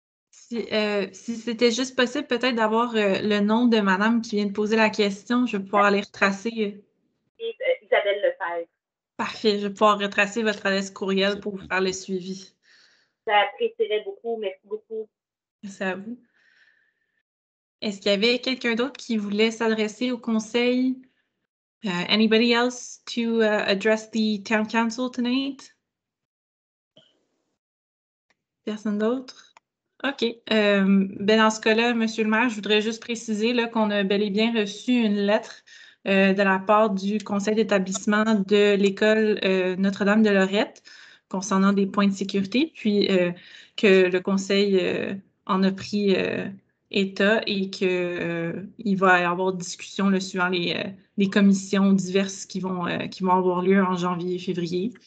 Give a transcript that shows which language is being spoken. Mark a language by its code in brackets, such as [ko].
[fr] Si c'était juste possible, peut-être d'avoir le nom de madame qui vient de poser la question, je vais pouvoir aller retracer. Isabelle Lefebvre. Parfait, je vais pouvoir retracer votre adresse courriel c'est pour vous faire le suivi. Ça apprécierait beaucoup, merci beaucoup. Merci à vous. Est-ce qu'il y avait quelqu'un d'autre qui voulait s'adresser au conseil? [en] Anybody else to address the town council tonight? [fr] Personne d'autre? OK. Ben dans ce cas-là, Monsieur le maire, je voudrais juste préciser là, qu'on a bel et bien reçu une lettre de la part du conseil d'établissement de l'école Notre-Dame-de-Lorette concernant des points de sécurité, puis que le conseil en a pris état et qu'il va y avoir discussion là, suivant les commissions diverses qui vont avoir lieu en janvier et février.